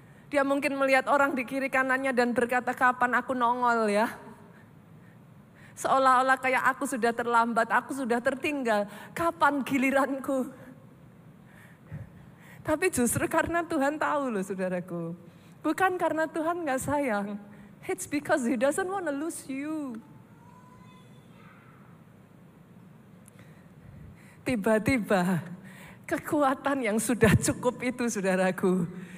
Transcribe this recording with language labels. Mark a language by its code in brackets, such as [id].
[id] Dia mungkin melihat orang di kiri kanannya dan berkata, kapan aku nongol ya? Seolah-olah kayak aku sudah terlambat, aku sudah tertinggal. Kapan giliranku? Tapi justru karena Tuhan tahu loh saudaraku. Bukan karena Tuhan gak sayang. [en] It's because He doesn't want to lose you. [id] Tiba-tiba kekuatan yang sudah cukup itu saudaraku.